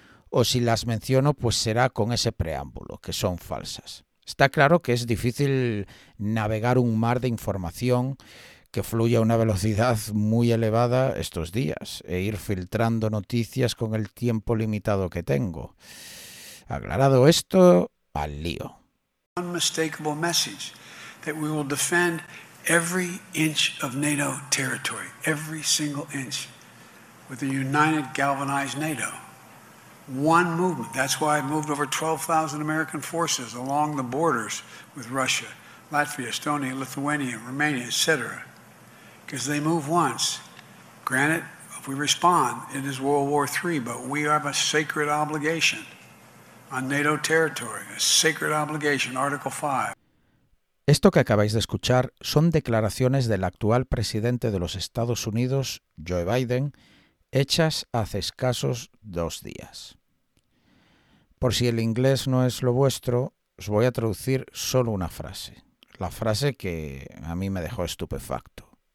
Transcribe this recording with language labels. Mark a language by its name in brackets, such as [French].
[Spanish] O si las menciono, pues será con ese preámbulo, que son falsas. Está claro que es difícil navegar un mar de información que fluye a una velocidad muy elevada estos días e ir filtrando noticias con el tiempo limitado que tengo. Aclarado esto, al lío. [English] Unmistakable message. That we will defend every inch of NATO territory, every single inch, with a united, galvanized NATO. One movement. That's why I moved over 12,000 American forces along the borders with Russia, Latvia, Estonia, Lithuania, Romania, etc. Because they move once. Granted, if we respond, it is World War III, but we have a sacred obligation on NATO territory, a sacred obligation, Article 5. [Spanish] Esto que acabáis de escuchar son declaraciones del actual presidente de los Estados Unidos, Joe Biden, hechas hace escasos dos días. Por si el inglés no es lo vuestro, os voy a traducir solo una frase, la frase que a mí me dejó estupefacto.